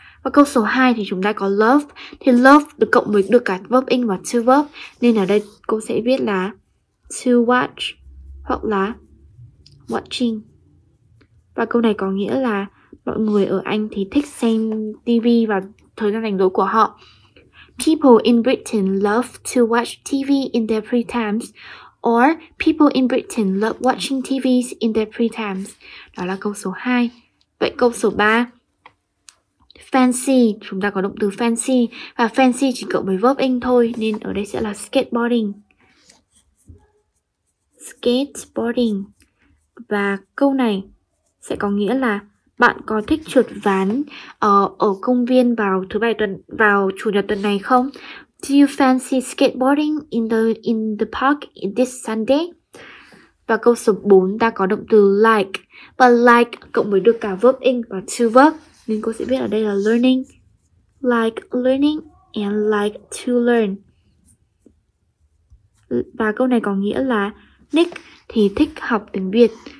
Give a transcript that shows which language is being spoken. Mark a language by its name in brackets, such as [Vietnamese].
[Vietnamese] Và câu số 2 thì chúng ta có love. Thì love được cộng với được cả verb ing và to verb. Nên ở đây cô sẽ viết là to watch hoặc là watching. Và câu này có nghĩa là mọi người ở Anh thì thích xem TV và thời gian rảnh rỗi của họ. [English] People in Britain love to watch TV in their free times. Or people in Britain love watching TVs in their free times. [Vietnamese] Đó là câu số 2. Vậy câu số 3. Fancy, chúng ta có động từ fancy. Và fancy chỉ cộng với verb ing thôi, nên ở đây sẽ là skateboarding. Skateboarding. Và câu này sẽ có nghĩa là bạn có thích trượt ván ở công viên vào chủ nhật tuần này không? [English] Do you fancy skateboarding in the park this Sunday? [Vietnamese] Và câu số 4, ta có động từ like. Và like cộng với được cả verb ing và to verb, nên cô sẽ biết ở đây là learning, [English] like learning and like to learn. [Vietnamese] Và câu này có nghĩa là Nick thì thích học tiếng Việt.